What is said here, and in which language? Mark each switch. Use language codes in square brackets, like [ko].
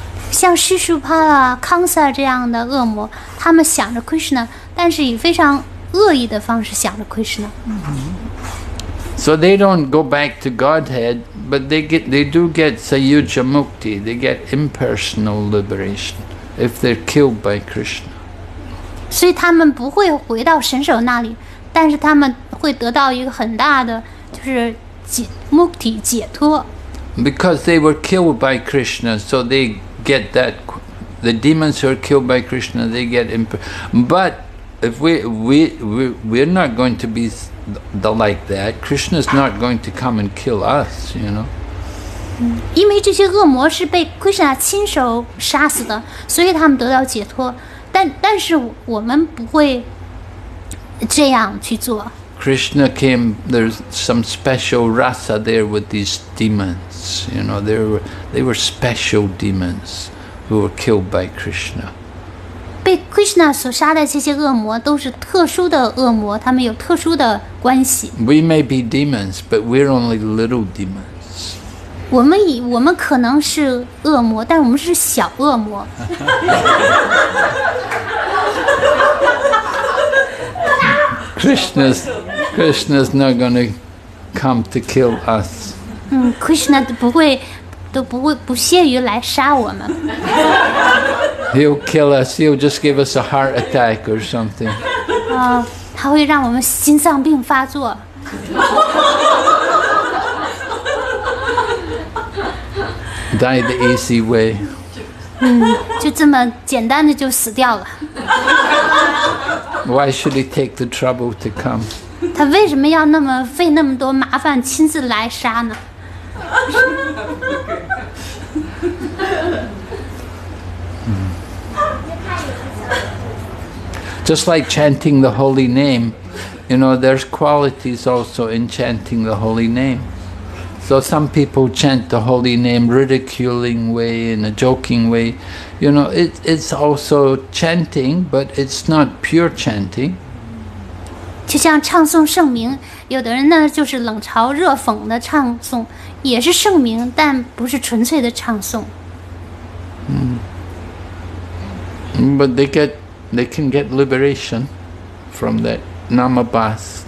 [zh] 像施舒帕拉、康萨这样的恶魔，他们想着 Krishna， 但是以非常恶意的方式想着 Krishna。 [en] So they don't go back to Godhead, but they do get Sayuja Mukti, they get impersonal liberation if they're killed by Krishna. [zh] 所以他们不会回到神手那里，但是他们会得到一个很大的就是Mukti解脱。 [en] Because they were killed by Krishna, so they get that. The demons who are killed by Krishna, they get But if we're not going to be like that, Krishna's not going to come and kill us, you know. [zh] 因为这些恶魔是被 Krishna 亲手杀死的，所以他们得到解脱。但是我们不会这样去做。 [en] Krishna came, there's some special rasa there with these demons, you know, they were special demons who were killed by Krishna. [zh] 被 Krishna 所杀的这些恶魔都是特殊的恶魔，他们有特殊的关系。 [en] We may be demons, but we're only little demons. [zh] 我们可能是恶魔，但我们是小恶魔。 [en] Krishna's not going to come to kill us. [zh] Krishna 都不屑于来杀我们。 [en] He'll kill us. He'll just give us a heart attack or something. [zh] 他会让我们心脏病发作。 [en] Die the easy way. [zh] 就这么简单的就死掉了。 [en] Why should he take the trouble to come? [zh] 他为什么要那么费那么多麻烦亲自来杀呢？ [en] Just like chanting the holy name, you know, there's qualities also in chanting the holy name. So some people chant the holy name ridiculing way, in a joking way. You know, it's also chanting, but it's not pure chanting. [zh] 就像唱诵圣名，有的人呢就是冷嘲热讽的唱诵，也是圣名，但不是纯粹的唱诵。 [en] But they can get liberation from that namabas.